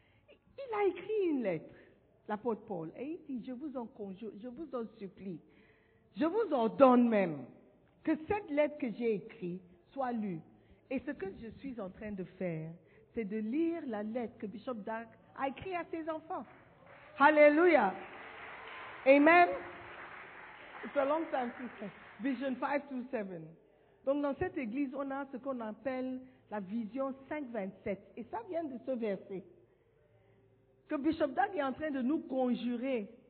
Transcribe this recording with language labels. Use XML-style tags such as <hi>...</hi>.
<fr>Il a écrit une lettre, l'apôtre Paul, et il dit, je vous en conjure, je vous en supplie. Je vous ordonne même que cette lettre que j'ai écrite soit lue. Et ce que je suis en train de faire, c'est de lire la lettre que Bishop Dark a écrite à ses enfants. Alléluia. Amen.</fr> <en>It's a long time since Vision 5:27.</en> <fr>Donc dans cette église, on a ce qu'on appelle la vision 5:27. Et ça vient de ce verset. Que Bishop Dark est en train de nous conjurer.</fr>